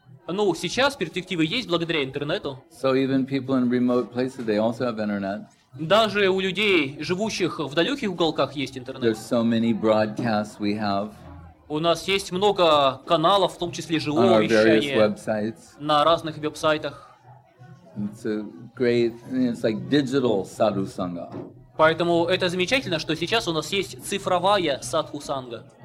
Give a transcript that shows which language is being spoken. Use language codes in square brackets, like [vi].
[ru] Ну, сейчас перспективы есть благодаря интернету. [en] So even people in remote places, they also have internet. [ru] Даже у людей, живущих в далеких уголках, есть интернет. [en] There's so many broadcasts we have. [ru] У нас есть много каналов, в том числе живого вещания, на разных веб-сайтах. [en] It's a great, it's like digital sadhu sangha. [ru] Поэтому это замечательно, что сейчас у нас есть цифровая садху-санга.